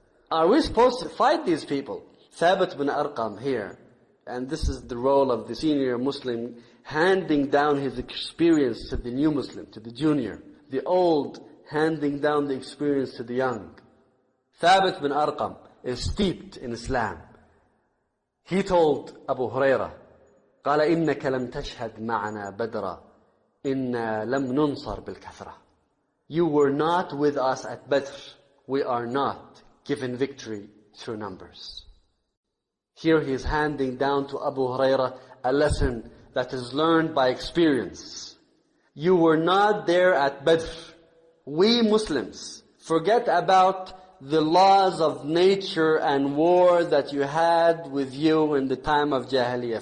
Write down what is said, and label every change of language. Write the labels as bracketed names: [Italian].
[English] Are we supposed to fight these people? Thabit bin Arqam here, and this is the role of the senior Muslim, handing down his experience to the new Muslim, to the junior. The old, handing down the experience to the young. Thabit bin Arqam is steeped in Islam. He told Abu Hurairah, [Arabic] قَالَ إِنَّكَ لَمْ تَشْهَدْ مَعَنَا بَدْرًا إِنَّا لَمْ نُنصَرْ بِالْكَثْرَةِ. [English] You were not with us at Badr. We are not given victory through numbers. Here he is handing down to Abu Hurairah a lesson that is learned by experience. You were not there at Badr. We Muslims forget about the laws of nature and war that you had with you in the time of Jahiliyyah.